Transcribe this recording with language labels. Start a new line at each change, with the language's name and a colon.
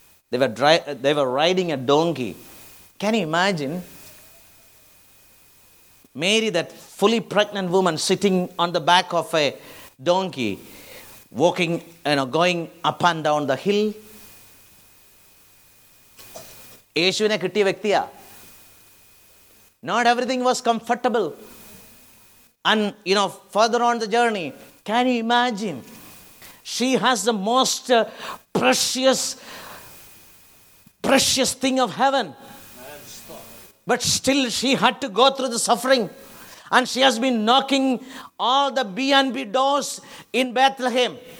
English: They were riding a donkey. Can you imagine? Mary, that fully pregnant woman sitting on the back of a donkey, walking, you know, going up and down the hill.
Malayalam: യേശുവിനെ കിട്ടിയ വ്യക്തിയാ.
English: Not everything was comfortable. And, you know, further on the journey, can you imagine? She has the most precious thing of heaven. But still she had to go through the suffering. And she has been knocking all the B&B doors in Bethlehem.